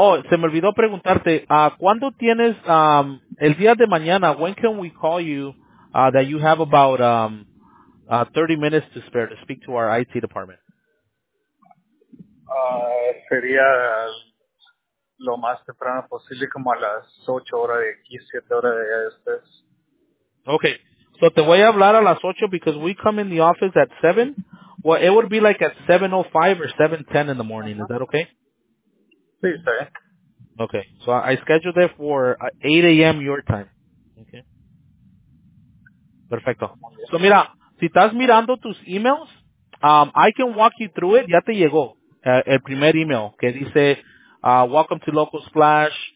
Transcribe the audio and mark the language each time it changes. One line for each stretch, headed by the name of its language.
Spanish: Se me olvidó preguntarte, ¿cuándo tienes el día de mañana?
English: When can we call you that you have about 30 minutes to spare to speak to our IT department?
Spanish: Sería lo más temprano posible, como a las 8 horas de aquí, 7 horas de allá después.
English: Okay. So
Spanish: te voy a hablar a las 8
English: because we come in the office at 7. Well, it would be like at 7:05 or 7:10 in the morning. Is that okay?
Spanish: Sí, está bien.
English: Okay. So I scheduled it for 8 a.m. your time. Okay. Perfecto.
Spanish: So mira, si estás mirando tus emails,
English: I can walk you through it.
Spanish: Ya te llegó el primer email que dice,
English: welcome to Local Splash.